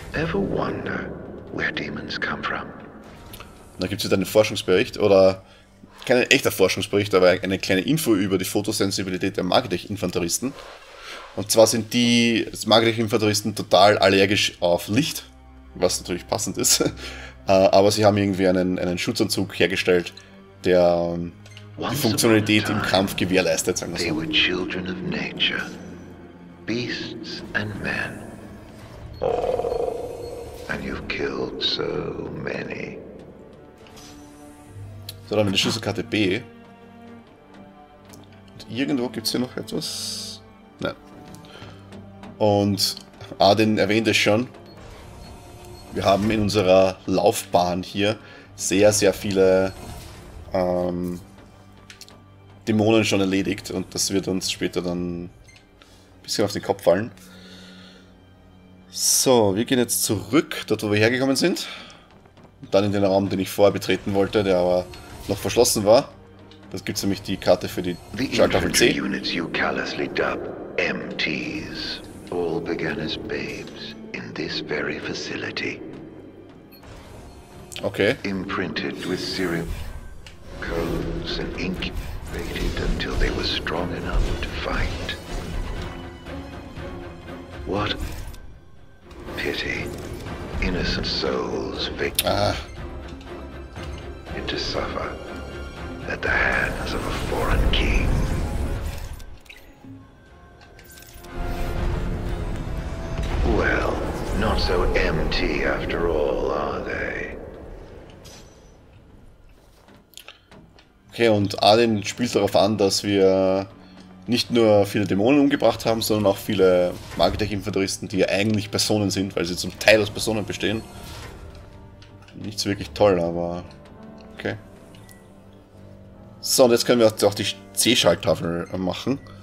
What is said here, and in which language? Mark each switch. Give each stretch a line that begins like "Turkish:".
German: Ever wonder where demons come from? Da gibt es wieder einen Forschungsbericht oder kein echter Forschungsbericht, aber eine kleine Info über die Fotosensibilität der Magdech-Infanteristen. Und zwar sind die Magdech-Infanteristen total allergisch auf Licht, was natürlich passend ist. Aber sie haben irgendwie einen Schutzanzug hergestellt, der die Funktionalität im Kampf gewährleistet, sagen wir so.
English: They were children of nature, beasts and men. And you've killed so many.
German: So, dann haben wir die Schlüsselkarte B. Und irgendwo gibt es hier noch etwas. Nein. Und Arden erwähnt es schon. Wir haben in unserer Laufbahn hier sehr, sehr viele Dämonen schon erledigt. Und das wird uns später dann ein bisschen auf den Kopf fallen. So, wir gehen jetzt zurück, dort wo wir hergekommen sind. Und dann in den Raum, den ich vorher betreten wollte, der aber noch verschlossen war. Das gibt nämlich die Karte für die Schalttafel C.
English: Units you callously dub MTs all began as babes in this very facility. Okay. Imprinted with serum codes and incubated until they were strong enough to fight. What pity innocent souls victim to suffer. At the hands of a foreign king. Well, not so empty after all, are they?
German: Okay, und Arden spielt darauf an, dass wir nicht nur viele Dämonen umgebracht haben, sondern auch viele Magitech-Infanteristen, die ja eigentlich Personen sind, weil sie zum Teil aus Personen bestehen. Nichts wirklich toll, aber okay. So, und jetzt können wir auch die C-Schalttafel machen.